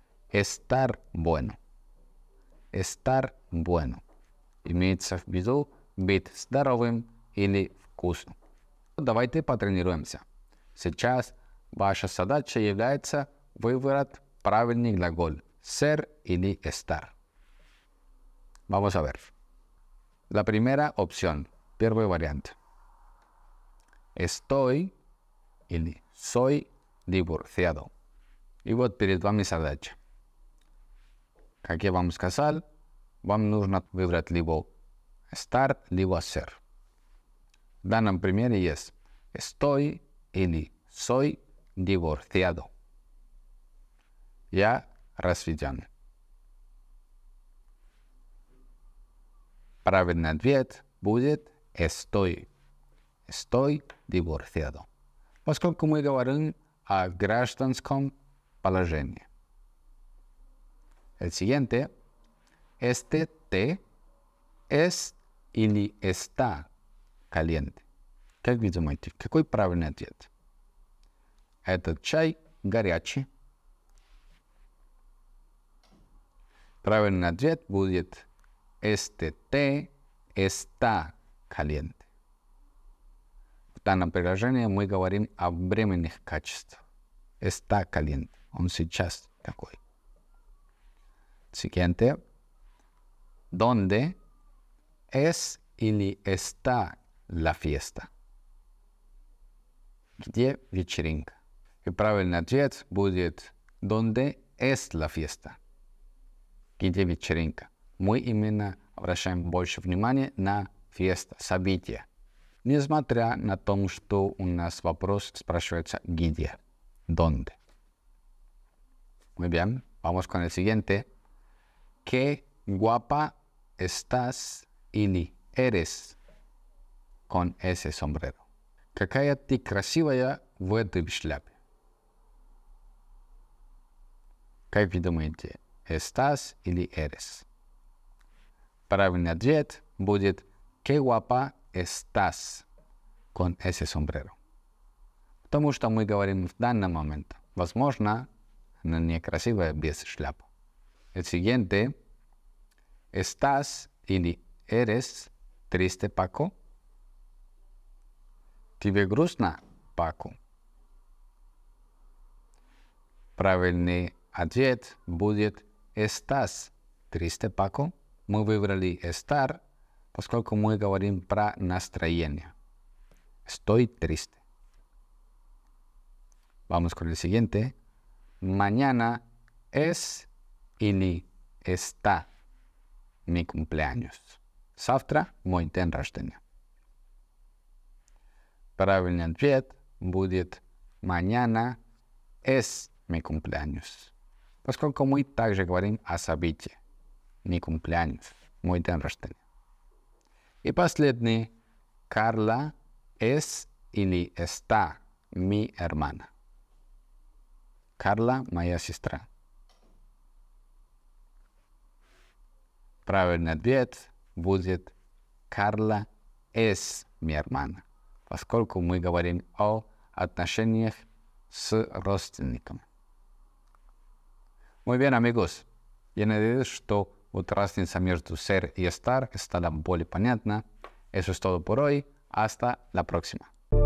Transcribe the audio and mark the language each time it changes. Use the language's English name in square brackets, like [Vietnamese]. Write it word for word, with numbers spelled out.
[Spanish] Estar bueno. Estar bueno. [Russian] Имеется в виду быть здоровым или вкусным. Давайте потренируемся. Сейчас ваша задача является выбрать правильный глаголь. [Spanish] Ser или estar. Vamos a ver. La primera opción, [Russian] первый вариант. [Spanish] Estoy [Russian] или [Spanish] soy divorciado. [Russian] И вот перед вами задача. Как я вам сказал, вам нужно выбрать либо estar, либо ser. В данном примере есть estoy или [Spanish] soy divorciado. [Russian] Я разведен. Правильный ответ будет estoy. [Spanish] Estoy divorciado. [Russian] Поскольку мы говорим о гражданском положении. [Spanish] El siguiente, este té es [Russian] или [Spanish] está caliente. [Russian] Как вы думаете, какой правильный ответ? Этот чай горячий. Правильный ответ будет [Spanish] este té está caliente. [Russian] В данном приложении мы говорим о временных качествах. [Spanish] Está caliente. [Russian] Он сейчас такой. Siguiente. [Spanish] ¿Dónde es [Russian] или [Spanish] está la fiesta? [Russian] Где вечеринка? И правильный ответ будет [Spanish] ¿Dónde es la fiesta? [Russian] Где вечеринка? Мы именно обращаем больше внимания на fiesta, события. Несмотря на то, что у нас вопрос спрашивается где, ¿dónde? [Spanish] Muy bien, vamos con el siguiente. Qué guapa estás [Russian] или [Spanish] eres con ese sombrero. [Russian] Какая ты красивая в этой шляпе. Как вы думаете, estás или eres? Правильный ответ будет [Spanish] qué guapa estás con ese sombrero. [Russian] Потому что мы говорим в данный момент. Возможно, она некрасивая без шляпы. [Spanish] El siguiente, ¿estás [Russian] или [Spanish] eres triste, Paco? [Russian] ¿Тебе грустно, Paco? Правильный ответ будет [Spanish] ¿estás triste, Paco? [Russian] Мы выбрали estar, поскольку мы говорим про настроение. [Spanish] Estoy triste. Vamos con el siguiente. Mañana es [Russian] или [Spanish] está mi cumpleaños. [Russian] Завтра мой день рождения. Правильный ответ будет [Spanish] mañana es mi cumpleaños. [Russian] Поскольку мы также говорим о событии. [Spanish] Mi cumpleaños. [Russian] Мой день рождения. И последний. [Spanish] Carla es [Russian] или [Spanish] está mi hermana. [Russian] Carla, моя сестра. Правильный ответ будет [Spanish] Carla es mi hermana, [Russian] поскольку мы говорим о отношениях с родственниками. [Spanish] Muy bien, amigos. [Russian] Я надеюсь, что вот разница между [Spanish] ser y estar [Russian] стала более понятна. [Spanish] Eso es todo por hoy. Hasta la próxima.